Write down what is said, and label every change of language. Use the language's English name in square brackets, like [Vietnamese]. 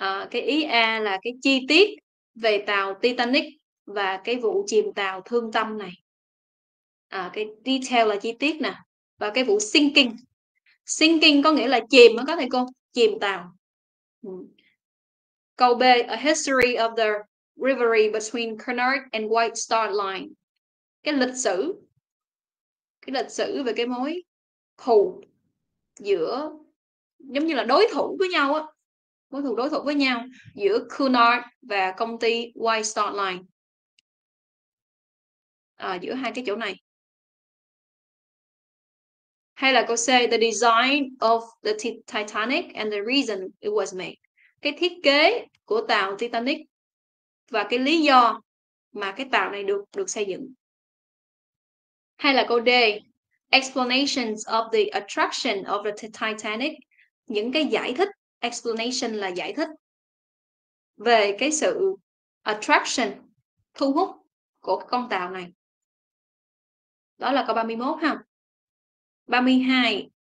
[Vietnamese] Cái ý A là cái chi tiết về tàu Titanic và cái vụ chìm tàu thương tâm này. Cái detail là chi tiết nè, và cái vụ sinking. Sinking có nghĩa là chìm đó các thầy cô, chìm tàu. [English] Câu B, a history of the rivalry between Carnarvon and White Star Line. [Vietnamese] Cái lịch sử về cái mối thù giữa, giống như là đối thủ với nhau á, mối thù đối thủ với nhau giữa Cunard và công ty White Star Line, giữa hai cái chỗ này. [English] Hay là câu C, the design of the Titanic and the reason it was made. [Vietnamese] Cái thiết kế của tàu Titanic và cái lý do mà cái tàu này được xây dựng. [English] Hay là câu D, explanations of the attraction of the Titanic. [Vietnamese] Những cái giải thích, explanation là giải thích về cái sự attraction, thu hút của con tàu này. Đó là câu 31 ha. 32,